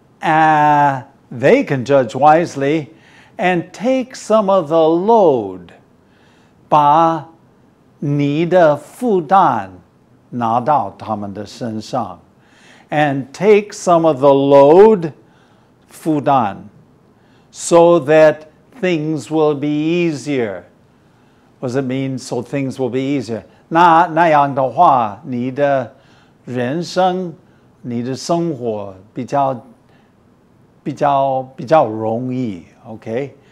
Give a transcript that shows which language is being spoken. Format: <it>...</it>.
<en>They can judge wisely and take some of the load.</en> <zh>把你的负担拿到他们的身上。</zh> <en>And take some of the load, 负担, so that things will be easier. What does it mean, so things will be easier?</en> <zh>那样的话,你的人生,你的生活比较容易, okay?</zh>